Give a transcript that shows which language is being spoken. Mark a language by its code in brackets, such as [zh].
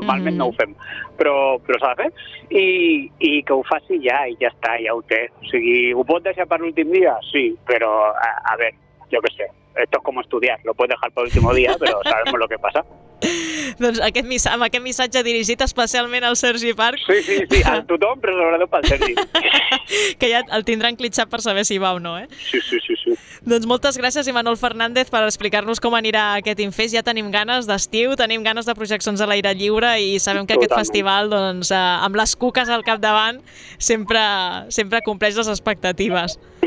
[ca] Normalment no ho fem, però s'ha de fer, i que ho faci ja, i ja està, ja ho té. O sigui, ho pot deixar per l'últim dia? Sí, però a veure, jo què sé, [es] esto es como estudiar, lo puedes dejar por último día, pero sabemos lo que pasa. [ca] Doncs amb aquest missatge dirigit especialment al Sergi Parc. Sí, a tothom, però sobretot pel Sergi. Que ja el tindran clitxat per saber si va o no, eh? Sí. Doncs moltes gràcies, Imanol Fernández, per explicar-nos com anirà aquest Infest. Ja tenim ganes d'estiu, tenim ganes de projeccions a l'aire lliure i sabem que aquest festival, doncs, amb les cuques al capdavant, sempre compleix les expectatives.